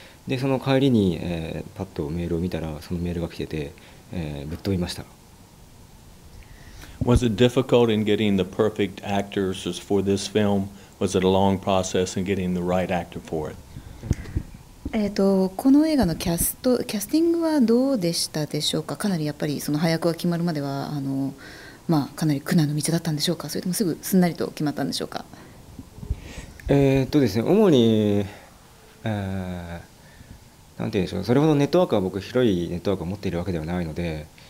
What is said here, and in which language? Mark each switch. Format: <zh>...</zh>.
<ja>でその帰りに、パッとメールを見たらそのメールが来てて、ぶっ飛びました。</ja> <en>Was it difficult in getting the perfect actors for this film? Was it a long process in getting the right actor for it?</en> <ja>この映画のキャスティングはどうでしたでしょうか？かなりやっぱりその配役が決まるまではまあ、かなり苦難の道だったんでしょうか？それともすぐすんなりと決まったんでしょうか？ですね、主に、なんて言うんでしょう、それほどネットワークは僕広いネットワークを持っているわけではないので、</ja>